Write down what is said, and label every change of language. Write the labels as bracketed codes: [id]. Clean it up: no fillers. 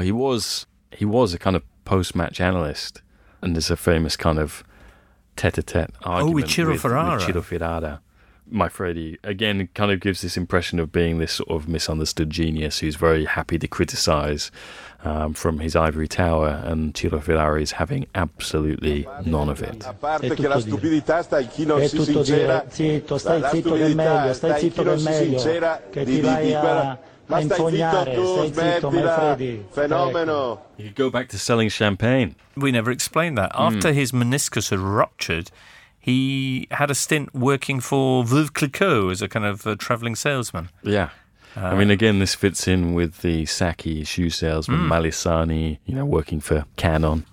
[en] He was a kind of post-match analyst, and there's a famous kind of tete-a-tete argument with Ciro Ferrara. Maifredi, again, kind of gives this impression of being this sort of misunderstood genius who's very happy to criticise from his ivory tower, and Ciro Ferrara is having absolutely none of it. [it] A parte che la stupidità sta in chi non si sincera. Zitto, stai zitto del meglio, stai zitto del meglio. Che ti vai a infognare, stai zitto, Maifredi. Fenomeno. [en] You go back to selling champagne. We never explained that. After his meniscus had ruptured, he had a stint working for Veuve Clicquot as a kind of a travelling salesman. Yeah. I mean, again, this fits in with the Sacchi shoe salesman, Malisani, you know, working for Canon.